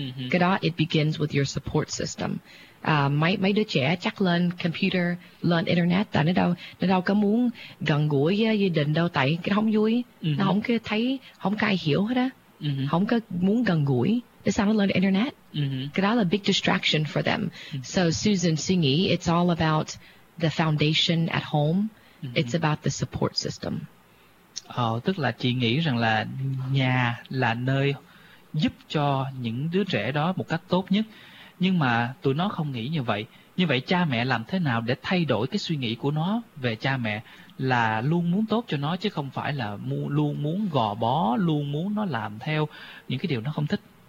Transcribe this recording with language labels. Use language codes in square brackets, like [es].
[vi] Cái đó [en] it begins with your support system. [vi] Mấy đứa trẻ chắc lên computer, lên internet, tại nó đâu có muốn gần gũi với gia đình đâu, tại cái không vui, nó không có thấy, không có ai hiểu hết á. Không có muốn gần gũi, để sao nó lên internet. Cái đó là [en] big distraction for them. So Susan [vi] suy nghĩ [en] it's all about the foundation at home. It's about the support system. [vi] Tức là chị nghĩ rằng là nhà là nơi giúp cho những đứa trẻ đó một cách tốt nhất, nhưng mà tụi nó không nghĩ như vậy. Như vậy cha mẹ làm thế nào để thay đổi cái suy nghĩ của nó về cha mẹ là luôn muốn tốt cho nó, chứ không phải là luôn muốn gò bó, luôn muốn nó làm theo những cái điều nó không thích.